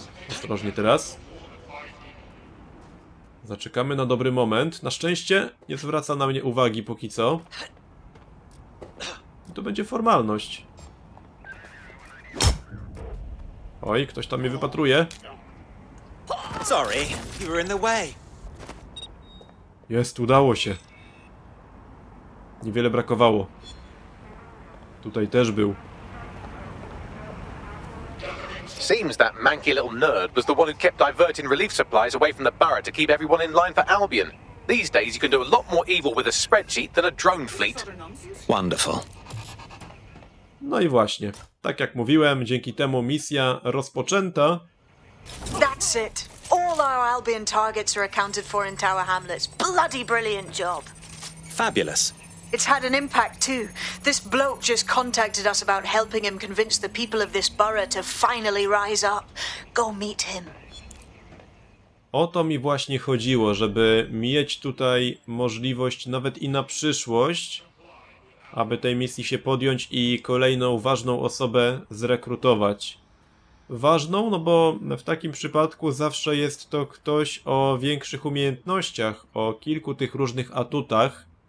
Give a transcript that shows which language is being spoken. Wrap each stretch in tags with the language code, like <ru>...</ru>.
<pl>Ostrożnie teraz. Zaczekamy na dobry moment. Na szczęście nie zwraca na mnie uwagi póki co. I to będzie formalność. Oj, ktoś tam mnie wypatruje.</pl> <en>Sorry, you were in the way.</en> <pl>Jest, udało się. Niewiele brakowało. Tutaj też był.</pl> <en>Seems that manky little nerd was the one who kept diverting relief supplies away from the borough to keep everyone in line for Albion. These days you can do a lot more evil with a spreadsheet than a drone fleet. Wonderful.</en> <pl>No i właśnie. Tak jak mówiłem, dzięki temu misja rozpoczęta.</pl> <en>That's it. All our Albion targets are accounted for in Tower Hamlets. Bloody brilliant job. Fabulous. It's had an impact too. This bloke just contacted us about helping him convince the people of this borough to finally rise up. Go meet him.</en> <pl>O to mi właśnie chodziło, żeby mieć tutaj możliwość nawet i na przyszłość, aby tej misji się podjąć i kolejną ważną osobę zrekrutować. Ważną, no bo w takim przypadku zawsze jest to ktoś o większych umiejętnościach, o kilku tych różnych atutach.</pl>